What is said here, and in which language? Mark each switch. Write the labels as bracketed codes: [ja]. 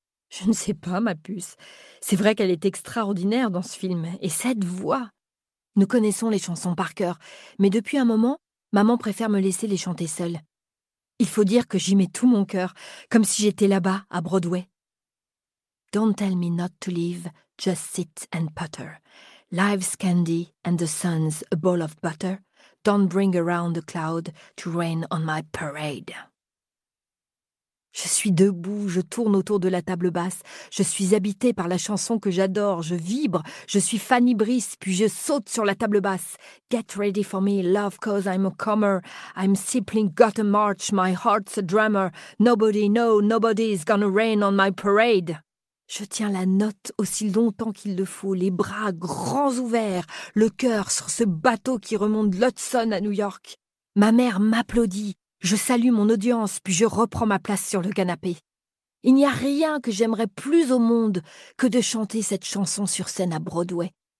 [fr] Je ne sais pas, ma puce. C'est vrai qu'elle est extraordinaire dans ce film. Et cette voix ! Nous connaissons les chansons par cœur, mais depuis un moment, maman préfère me laisser les chanter seule. Il faut dire que j'y mets tout mon cœur, comme si j'étais là-bas, à Broadway. [en] Don't tell me not to live, just sit and putter. Life's candy and the sun's a bowl of butter. Don't bring around the cloud to rain on my parade. [fr] Je suis debout, je tourne autour de la table basse. Je suis habitée par la chanson que j'adore. Je vibre, je suis Fanny Brice, puis je saute sur la table basse. [en] Get ready for me, love, cause I'm a comer. I'm sipping, got a march, my heart's a drummer. Nobody, no, nobody's gonna rain on my parade. [fr] Je tiens la note aussi longtemps qu'il le faut, les bras grands ouverts, le cœur sur ce bateau qui remonte l'Hudson à New York. Ma mère m'applaudit, je salue mon audience, puis je reprends ma place sur le canapé. Il n'y a rien que j'aimerais plus au monde que de chanter cette chanson sur scène à Broadway.